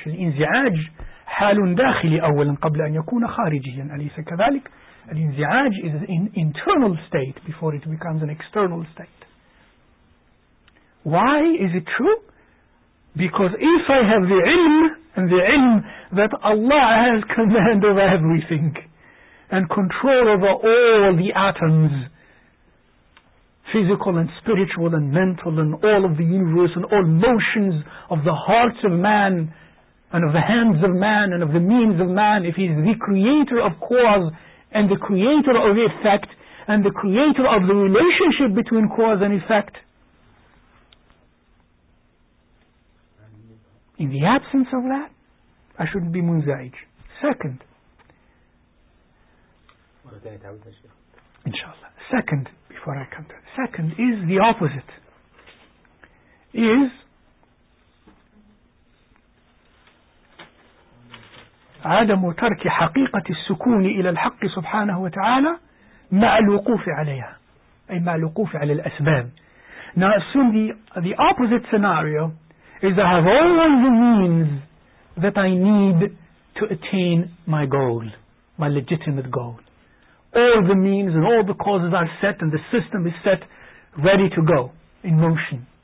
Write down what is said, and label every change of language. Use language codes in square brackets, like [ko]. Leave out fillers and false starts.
[ar] الإنزعاج حال داخلي أولا قبل أن يكون خارجيا. أليس كذلك؟ الإنزعاج [en] is an internal state before it becomes an external state. Why is it true? Because if I have the ilm, and the ilm that Allah has command over everything and control over all the atoms, physical and spiritual and mental and all of the universe and all motions of the hearts of man and of the hands of man and of the means of man, if he is the creator of cause and the creator of effect and the creator of the relationship between cause and effect, in the absence of that, I shouldn't be munza'ij. Second, inshallah. Second, before I come to it. Second is the opposite. Is [ar] عدم ترك حقيقة السكون إلى الحق سبحانه وتعالى مع الوقوف عليها. أي مع الوقوف على الأسباب. [en] Now assume the opposite scenario is I have all the means that I need to attain my goal, my legitimate goal. All the means and all the causes are set and the system is set, ready to go, in motion.